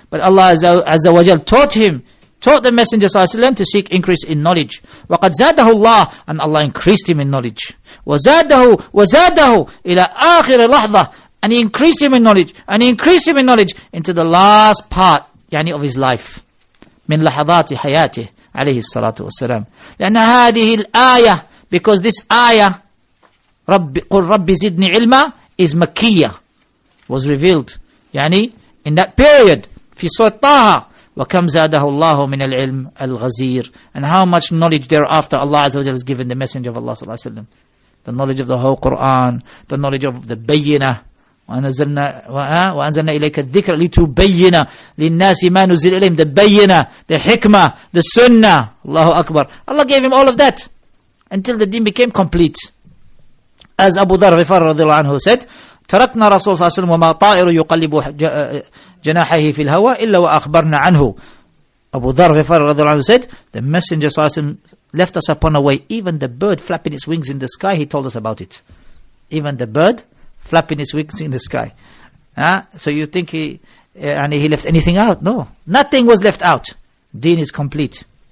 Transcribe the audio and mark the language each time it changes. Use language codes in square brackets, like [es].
[en] But Allah Azza wa Jal taught the Messenger sallallahu alaihi wasallam to seek increase in knowledge. [ar] وَقَدْ زَادَهُ اللَّهُ, [en] and Allah increased him in knowledge. [ar] وَزَادَهُ إِلَىٰ آخِرِ لَحْظَةٍ, [en] and he increased him in knowledge, and he increased him in knowledge into the last part, يعني of his life. [ar] مِنْ لَحَظَاتِ حَيَاتِهِ عَلَيْهِ الصَّلَاةُ وَالسَّلَامُ. لَأَنَّ هَذِهِ الْآيَةِ, [en] because this ayah, [ar] قُلْ رَبِّ زِدْنِ عِلْمًا, [en] is Makkiyah, was revealed, [ar] يعني [en] in that period, [ar] في سورة طه. وَكَمْ زَادَهُ اللَّهُ مِنَ الْعِلْمِ الْغَزِيرِ. [en] And how much knowledge thereafter Allah Azza wa Jalla has given the Messenger of Allah Sallallahu Alaihi Wasallam. The knowledge of the whole Qur'an, the knowledge of the bayyinah. [ar] وَأَنزَلْنَا إِلَيْكَ الذِّكْرَ لِتُبَيِّنَ لِلنَّاسِ مَا نُزِلْ إِلَيْهِمْ. [en] The bayyinah, the hikmah, the sunnah. Allahu Akbar. Allah gave him all of that until the deen became complete. As Abu Dharr Ghifari radiallahu anhu said, [ar] تَرَكْنَا رَسُولَ صَلَّى اللَّهُ عَلَيْهِ وَسَلَّمَ وَمَا طَائِرٌ يُقَلِّبُ جَنَاحَيْهِ فِي الْهَوَى إِلَّا وَأَخْبَرْنَا عَنْهُ. [en] Abu Dharr Ghifari radiallahu anhu said, the Messenger صلى الله عليه وسلم left us upon a way, even the bird flapping its wings in the sky, he told us about it. Even the bird flapping its wings in the sky. So you think he and he left anything out. No, nothing was left out. Deen is complete.